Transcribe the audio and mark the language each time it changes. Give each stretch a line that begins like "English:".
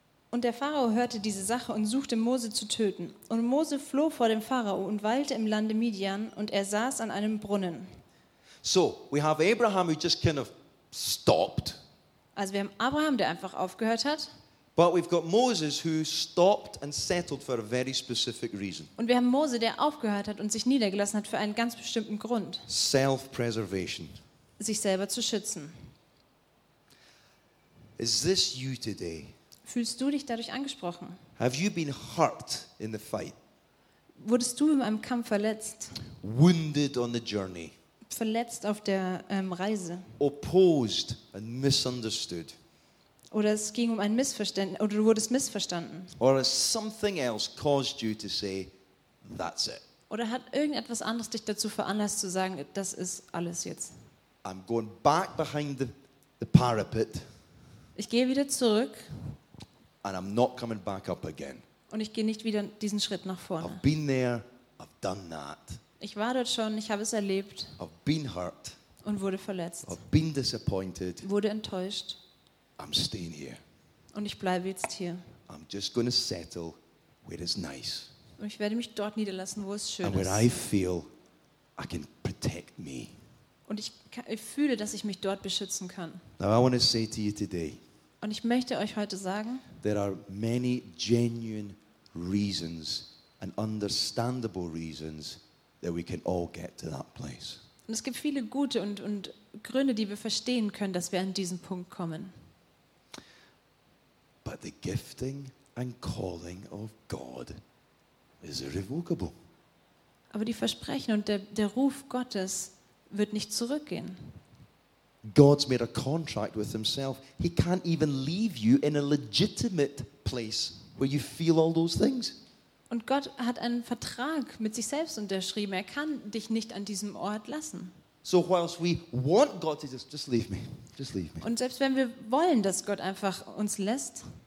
German: Und der Pharao hörte diese Sache und suchte Mose zu töten. Und Mose floh vor dem Pharao und weilte im Lande Midian und er saß an einem Brunnen.
English: So, we have Abraham who just kind of stopped.
German: Also wir haben Abraham, der einfach aufgehört hat.
English: But we've got Moses who stopped and settled for a very specific reason.
German: Und wir haben Mose, der aufgehört hat und sich niedergelassen hat für einen ganz bestimmten Grund.
English: Self-preservation.
German: Sich selber zu schützen.
English: Is this you today?
German: Fühlst du dich dadurch angesprochen?
English: Have you been hurt in the fight?
German: Wurdest du in einem Kampf verletzt?
English: Wounded on the journey.
German: Verletzt auf der Reise.
English: Opposed and misunderstood.
German: Oder es ging um ein Missverständnis oder du wurdest missverstanden.
English: Or has something else caused you to say that's it?
German: Oder hat irgendetwas anderes dich dazu veranlasst zu sagen, das ist alles jetzt?
English: I'm going back behind the parapet.
German: Ich gehe wieder zurück.
English: And I'm not coming back up again.
German: Und ich gehe nicht wieder diesen Schritt nach vorne.
English: I've been there, I've done that.
German: Ich war dort schon, ich habe es erlebt.
English: I've been hurt.
German: Und wurde verletzt.
English: I've been disappointed.
German: Wurde enttäuscht.
English: I'm staying here.
German: Und ich bleibe jetzt hier.
English: I'm just gonna settle where it's nice.
German: Und ich werde mich dort niederlassen, wo es schön
English: and
German: ist.
English: Where I feel I can protect me.
German: Und ich fühle, dass ich mich dort beschützen kann.
English: Now I want to say to you today,
German: und ich möchte euch heute sagen,
English: there are many genuine reasons and understandable reasons that we can all get to that place.
German: Und es gibt viele gute und Gründe, die wir verstehen können, dass wir an diesen Punkt kommen.
English: But the gifting and calling of God is irrevocable.
German: Aber die Versprechen und der Ruf Gottes wird nicht zurückgehen.
English: God's made a contract with himself. He can't even leave you in a legitimate place where you feel all those things.
German: Und Gott hat einen Vertrag mit sich selbst unterschrieben. Er kann dich nicht an diesem Ort lassen.
English: So whilst we want God to just leave me. Just leave me.
German: Und selbst wenn wir wollen, dass Gott einfach uns lässt.